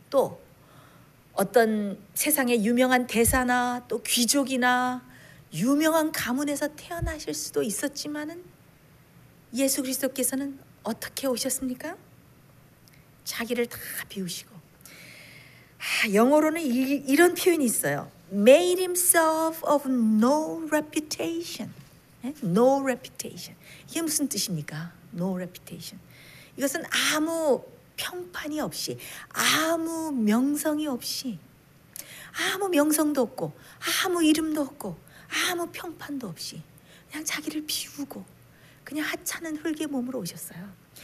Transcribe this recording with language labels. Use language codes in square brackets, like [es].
[ko] 또 어떤 세상의 유명한 대사나 또 귀족이나 유명한 가문에서 태어나실 수도 있었지만은 예수 그리스도께서는 어떻게 오셨습니까? 자기를 다 비우시고 영어로는 이런 표현이 있어요. [en] Made himself of no reputation. No reputation. [ko] 이게 무슨 뜻입니까? [en] No reputation. [ko] 이것은 아무 평판이 없이 아무 명성이 없이 아무 명성도 없고 아무 이름도 없고 아무 평판도 없이 그냥 자기를 비우고 그냥 하찮은 흙의 몸으로 오셨어요.